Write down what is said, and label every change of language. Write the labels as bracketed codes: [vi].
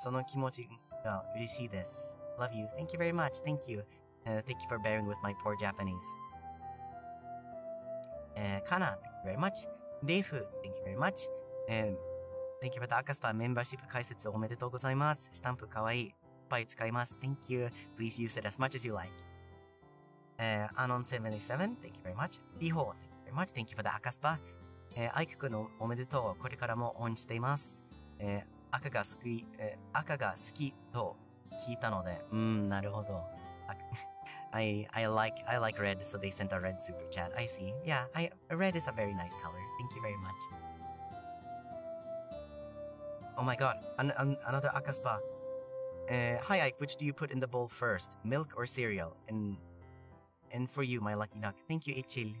[ja] その気持ちが嬉しいです。 [en] Love you. Thank you very much. Thank you. Thank you for bearing with my poor Japanese. Kana, thank you very much. Dave, thank you very much. Thank you for the Akaspa membership [ja] 解説おめでとうございます。スタンプかわいい。いっぱい使います。 [en] Thank you. Please use it as much as you like. Anon77, thank you very much. Riho, thank you very much. Thank you for the Akaspa. [ja] アイク君のおめでとう、これからも応援しています。赤が好きと聞いたので、なるほど。 [en] I like red, so they sent a red super chat. I see. Yeah, red is a very nice color. Thank you very much. Oh my god, another Akaspa. Hi Ike, which do you put in the bowl first? Milk or cereal? And for you, my lucky duck. Thank you, Ichil.